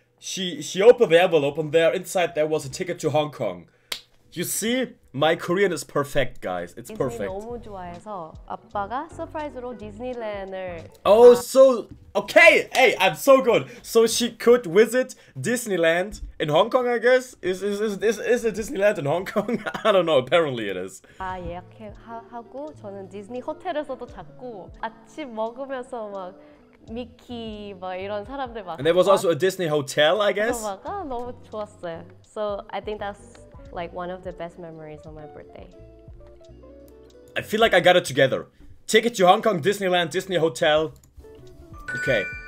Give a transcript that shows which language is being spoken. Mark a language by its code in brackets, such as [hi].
[en] She opened the envelope and there inside there was a ticket to Hong Kong. You see? My Korean is perfect, guys. It's perfect. [ko] 디즈니 너무 좋아해서 아빠가 서프라이즈로 디즈니랜드를 [en] Oh, so okay. Hey, I'm so good. So she could visit Disneyland in Hong Kong, I guess. Is it Disneyland in Hong Kong? I don't know. Apparently it is. [ko] 아, 예약하고 저는 디즈니 호텔에서도 잤고 아침 먹으면서 막 미키 막 이런 사람들 막 [en] And there was also a Disney hotel, I guess. [ko] 아, 너무 좋았어요. [en] So I think that's like one of the best memories on my birthday. I feel like I got it together. Ticket to Hong Kong, Disneyland, Disney Hotel. Okay.